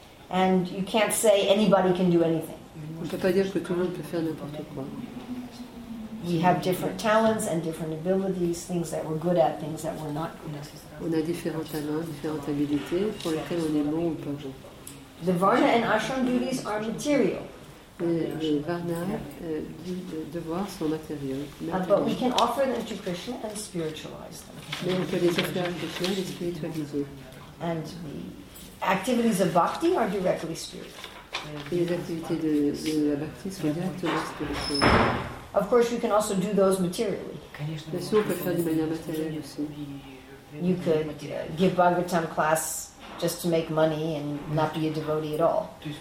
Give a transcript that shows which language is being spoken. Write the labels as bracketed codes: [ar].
[en] And you can't say anybody can do anything. [fr] On ne peut pas dire que tout le monde peut faire n'importe quoi. [en] We have different talents and different abilities, things that we're good at, things that we're not good at. [fr] On a différents talents, différentes habiletés pour lesquelles on est bon ou pas bon. [en] The varna and ashram duties are material. [fr] Les varna, devoirs sont matériels. [en] But we can offer them to Krishna and spiritualize them. [fr] Mais on peut les offrir à Krishna et les spiritualiser. [en] And the activities of bhakti are directly spiritual. [fr] Et les activités de la bhakti sont directement spirituelles. [en] Of course, you can also do those materially. You could give Bhagavatam class just to make money and not be a devotee at all.